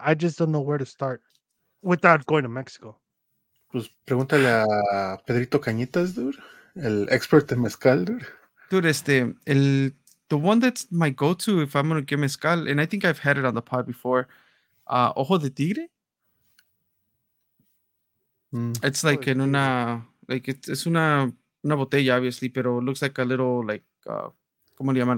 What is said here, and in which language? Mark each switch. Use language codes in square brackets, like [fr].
[en] I just don't know where to start without going to Mexico. [es] Pues pregúntale a Pedrito Cañitas, dude, el expert en mezcal, dude. [en] Dude, the one that's my go-to if I'm gonna get mezcal, and I think I've had it on the pod before. Ojo de Tigre. It's like in una, like it's una. Una botella, obviously, pero looks like a little, like, [es] ¿cómo le llaman?